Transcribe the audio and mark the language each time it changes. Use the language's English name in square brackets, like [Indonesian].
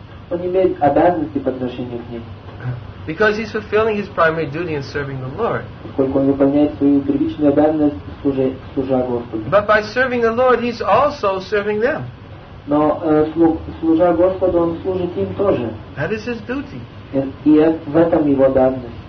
[Russian] Он не имеет обязанности по отношению к ним. [English] Because he's fulfilling his primary duty in serving the Lord. [Russian] Поскольку он выполняет свою первичную обязанность, служа Господу. [English] But by serving the Lord, he's also serving them. [Russian] Но служа Господу, он служит им тоже. [English] That is his duty. [Russian] И в этом его обязанность.